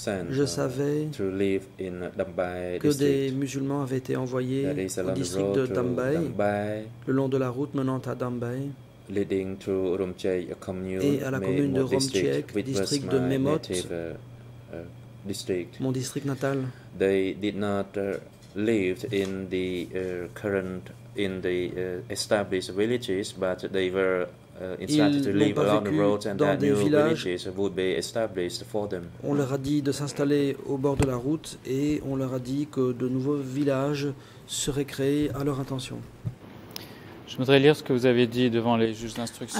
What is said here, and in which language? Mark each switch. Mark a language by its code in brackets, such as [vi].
[fr] Je savais que des musulmans avaient été envoyés au district de Dambai, le long de la route menant à Dambai, [en] leading to Rumchai, a commune, [fr] et à la commune de Rumchek, district de Memot, [en] district. [fr] Mon district natal. [en] They did not live in the current in the established villages, but they were instructed to live along the roads, and that new villages would be established for them. [fr] On leur a dit de s'installer au bord de la route, et on leur a dit que de nouveaux villages seraient créés à leur intention. Je voudrais lire ce que vous avez dit devant les juges d'instruction.